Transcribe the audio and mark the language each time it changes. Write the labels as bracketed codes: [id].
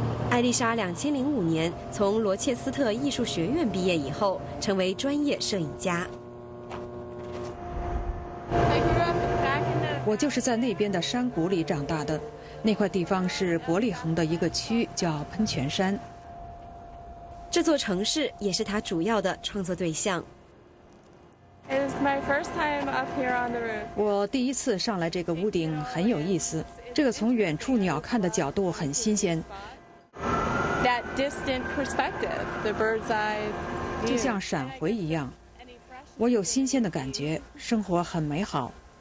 [zh] 艾丽莎2005年从罗切斯特艺术学院毕业以后，成为专业摄影家。我就是在那边的山谷里长大的。那块地方是伯利恒的一个区，叫喷泉山。这座城市也是他主要的创作对象。 [en] It was my first time up here on the roof. [zh] 我第一次上来这个屋顶，很有意思。这个从远处鸟看的角度很新鲜。 [en] That distant perspective, the bird's eye view. [zh] 就像闪回一样，我有新鲜的感觉，生活很美好。